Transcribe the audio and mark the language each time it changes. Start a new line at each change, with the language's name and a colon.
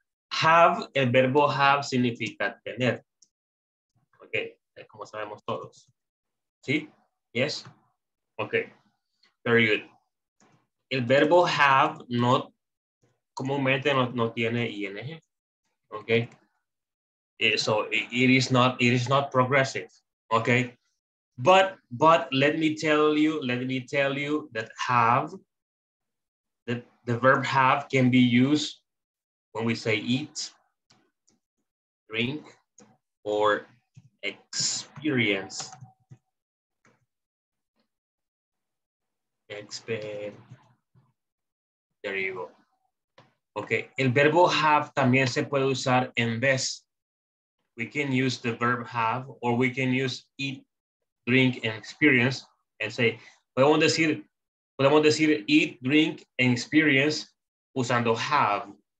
Spanish: Have, el verbo have significa tener. Okay, como sabemos todos. ¿Sí? Yes.
English: Okay, very good.
Spanish: El verbo have no comúnmente no tiene ing.
English: Okay, so it is not progressive. Okay, but let me tell you that the verb have can be used when we say eat, drink, or experience? There you go.
Spanish: Okay, el verbo have también se puede usar en vez.
English: We can use the verb have, or we can use eat, drink, and experience, and say,
Spanish: podemos decir
English: eat, drink, and experience usando have.